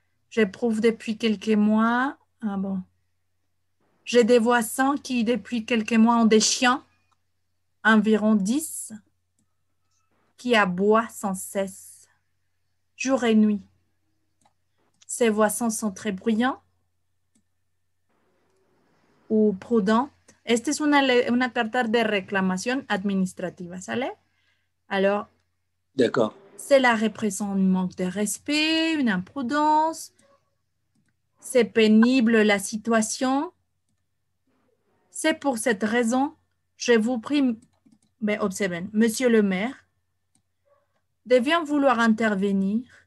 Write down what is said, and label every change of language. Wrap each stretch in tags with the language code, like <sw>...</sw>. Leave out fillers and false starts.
<fr>J'éprouve depuis quelques mois. Ah bon. J'ai des voisins qui, depuis quelques mois, ont des chiens, environ 10, qui aboient sans cesse, jour et nuit. Ces voisins sont très bruyants ou prudents.</fr> <es>Esta es una carta de reclamación administrativa, ¿sale?</es> <fr>Alors, d'accord. Cela représente un manque de respect, une imprudence. C'est pénible la situation. C'est pour cette raison, je vous prie, mais observez, monsieur le maire, de bien vouloir intervenir.</fr>